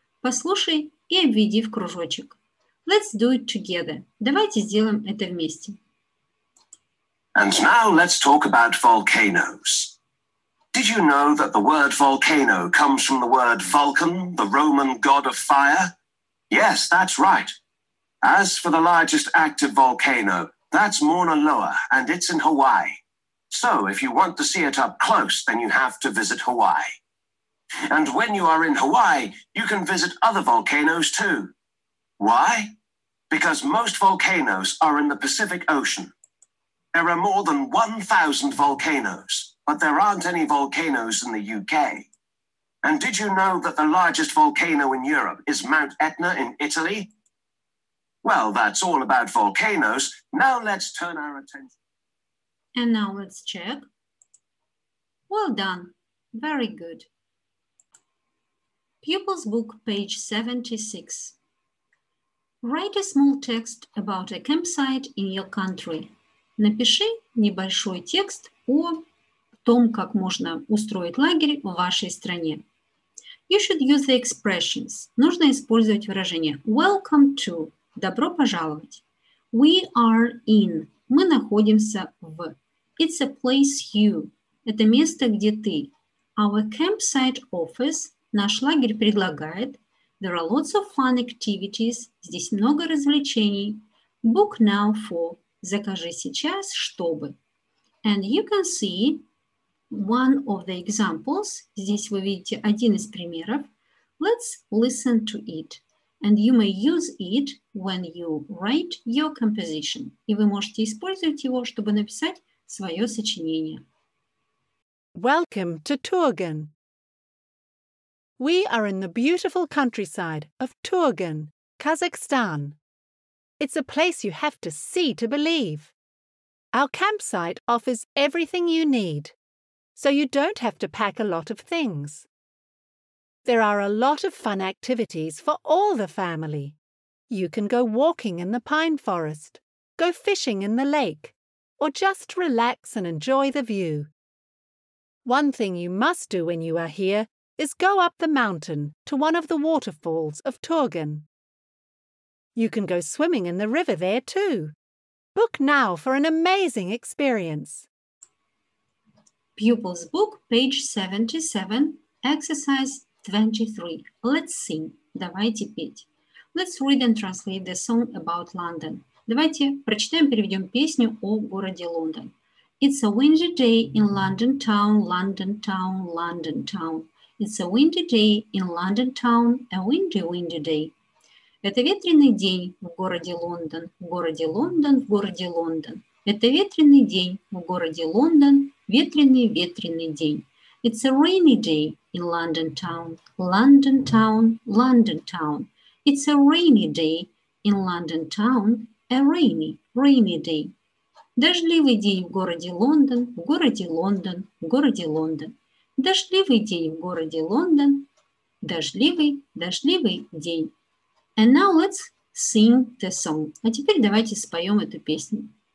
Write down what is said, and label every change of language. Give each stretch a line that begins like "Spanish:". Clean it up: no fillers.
Russian: Послушай и обведи в кружочек.
English: Let's do it together.
Russian: Давайте сделаем это вместе.
English: And now let's talk about volcanoes. Did you know that the word volcano comes from the word Vulcan, the Roman god of fire? Yes, that's right. As for the largest active volcano, that's Mauna Loa, and it's in Hawaii. So if you want to see it up close, then you have to visit Hawaii. And when you are in Hawaii, you can visit other volcanoes too. Why? Because most volcanoes are in the Pacific Ocean. There are more than 1,000 volcanoes, but there aren't any volcanoes in the UK. And did you know that the largest volcano in Europe is Mount Etna in Italy? Well, that's all about volcanoes. Now let's turn our attention. And now let's check. Well done. Very good. Pupil's book, page 76. Write a small text about a campsite in your country.
Russian: Напиши небольшой текст о том, как можно устроить лагерь в вашей стране.
English: You should use the expressions.
Russian: Нужно использовать выражение
English: welcome to.
Russian: Добро пожаловать.
English: We are in.
Russian: Мы находимся в.
English: It's a place you.
Russian: Это место, где ты.
English: Our campsite offers.
Russian: Наш лагерь предлагает.
English: There are lots of fun activities.
Russian: Здесь много развлечений.
English: Book now for.
Russian: Закажи сейчас, чтобы.
English: And you can see one of the examples.
Russian: Здесь вы видите один из примеров.
English: Let's listen to it. And you may use it when you write your composition.
Russian: И вы можете использовать его, чтобы написать свое сочинение.
English: Welcome to Tourgen. We are in the beautiful countryside of Tourgen, Kazakhstan. It's a place you have to see to believe. Our campsite offers everything you need, so you don't have to pack a lot of things. There are a lot of fun activities for all the family. You can go walking in the pine forest, go fishing in the lake, or just relax and enjoy the view. One thing you must do when you are here is go up the mountain to one of the waterfalls of Tourgen. You can go swimming in the river there too. Book now for an amazing experience. Pupil's book, page 77, exercise 23. Let's sing.
Russian: Давайте петь.
English: Let's read and translate the song about London.
Russian: Давайте прочитаем, переведем песню о городе Лондон.
English: It's a windy day in London town, London town, London town. It's a windy day in London town, a windy, windy day.
Russian: Это ветреный день в городе Лондон, в городе Лондон, в городе Лондон. Это ветреный день в городе Лондон, ветреный, ветреный день.
English: It's a rainy day in London town, London town, London town. It's a rainy day in London town, a rainy, rainy day.
Russian: Дождливый день в городе Лондон, в городе Лондон, в городе Лондон. Дождливый день в городе Лондон. Дождливый, дождливый день.
English: And now let's sing the song.
Russian: А теперь давайте споем эту песню.